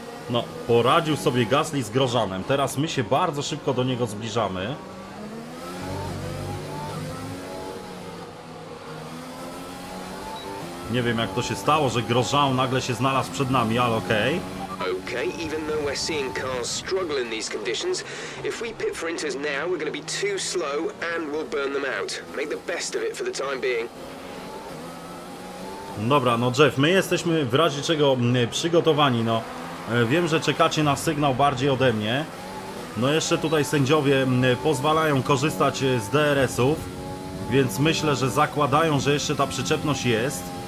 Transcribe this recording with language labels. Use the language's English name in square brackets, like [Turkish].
[Polish] No, poradził sobie Gasly z Grosjeanem. Teraz my się bardzo szybko do niego zbliżamy. Nie wiem, jak to się stało, że Grosjean nagle się znalazł przed nami, ale okej. [English] Okay, even though we're seeing cars struggle in these conditions, if we pit for inters now, we're going to be too slow and we'll burn them out. Make the best of it for the time being. [Polish] Dobra, no Jeff, my jesteśmy w razie czego przygotowani, no. Wiem, że czekacie na sygnał bardziej ode mnie. No jeszcze tutaj sędziowie pozwalają korzystać z DRS-ów, więc myślę, że zakładają, że jeszcze ta przyczepność jest.